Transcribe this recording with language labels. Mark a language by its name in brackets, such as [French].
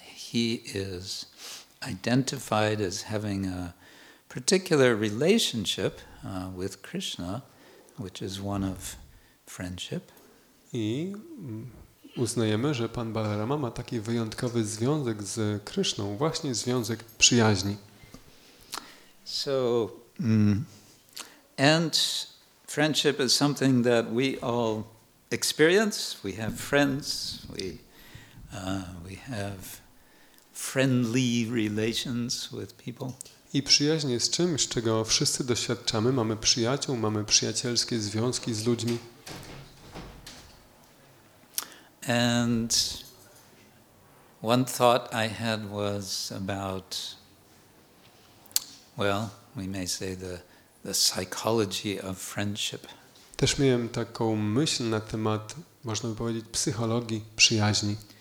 [English] He is identified as having a particular relationship with Krishna, which is one of friendship. [Polish] I uznajemy, że pan Balarama ma taki wyjątkowy związek z Krishną, właśnie związek przyjaźni. [English] So, and friendship is something that we all experience. We have friends. We have friendly relations with people. [Polish] I przyjaźń jest czymś, czego wszyscy doświadczamy. Mamy przyjaciół, mamy przyjacielskie związki z ludźmi. [English] And one thought I had was about, well, we may say the psychology of friendship. [Polish] Też miałem taką myśl na temat, można by powiedzieć, psychologii przyjaźni.